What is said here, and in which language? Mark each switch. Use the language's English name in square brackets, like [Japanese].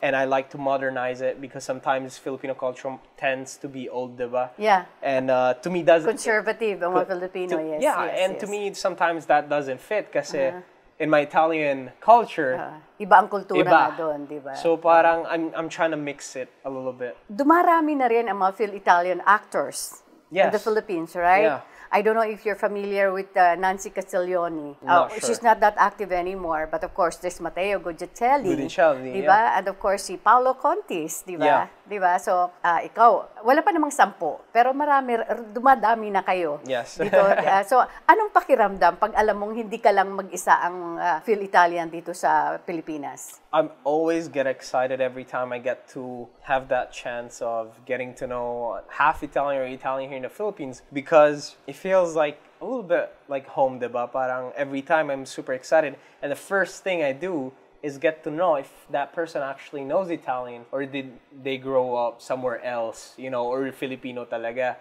[English] And I like to modernize it because sometimes Filipino culture tends to be old, [Filipino] diba? [English] Yeah. And to me, doesn't... [Filipino] Conservative, ang Filipino, [English] to, yes. Yeah, yes, and yes. To me, sometimes that doesn't fit [Filipino] kasi [English] in my Italian culture, [Filipino] iba ang kultura iba. Na doon, di ba? [English] So [Filipino] parang [English] I'm trying to mix it a little bit. [Filipino] Dumarami na rin ang mga Fil-Italian actors [English] yes. in the Philippines, right? Yeah. I don't know if you're familiar with Nancy Castiglione. Sure. She's not that active anymore, but of course there's Matteo Gugicelli. [Filipino] Diba? Yeah. [English] And of course si Paolo Contis, [Filipino] diba? [English] Yeah. [Filipino] Diba? So, ikaw, wala pa namang sampo, pero marami dumadami na kayo. [English] Yes. [Filipino] Dito, so, anong pakiramdam pag alam mong hindi ka lang mag-isa ang Fil-Italian dito sa Pilipinas? [English] I'm always get excited every time I get to have that chance of getting to know half Italian or Italian here in the Philippines because it feels like a little bit like home, [Filipino] diba? Parang [English] every time I'm super excited and the first thing I do is get to know if that person actually knows Italian or did they grow up somewhere else, you know, or Filipino [Filipino] talaga.